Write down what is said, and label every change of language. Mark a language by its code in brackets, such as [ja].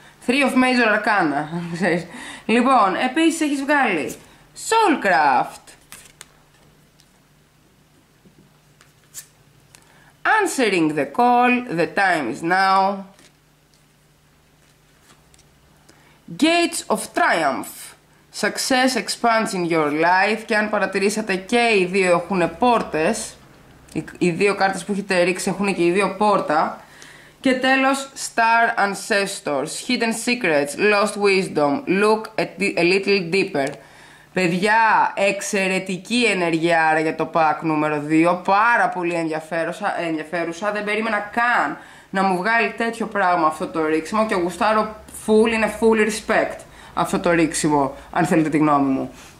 [en] Three of Major Arcana. [el] Λοιπόν, επίσης έχεις βγάλει Soulcraft, [en] answering the call, the time is now. Gates of triumph, success expands in your life. [el] Και αν παρατηρήσατε και οι δύο έχουν πόρτες, οι δύο κάρτες που έχετε ρίξει έχουν και οι δύο πόρτα. Και τέλος, [en] star ancestors, hidden secrets, lost wisdom, look a little deeper. [el] Παιδιά, εξαιρετική ενέργεια για το pack νούμερο 2, πάρα πολύ ενδιαφέρουσα, δεν περίμενα καν να μου βγάλει τέτοιο πράγμα αυτό το ρίξιμο και γουστάρω full, είναι full respect αυτό το ρίξιμο, αν θέλετε τη γνώμη μου.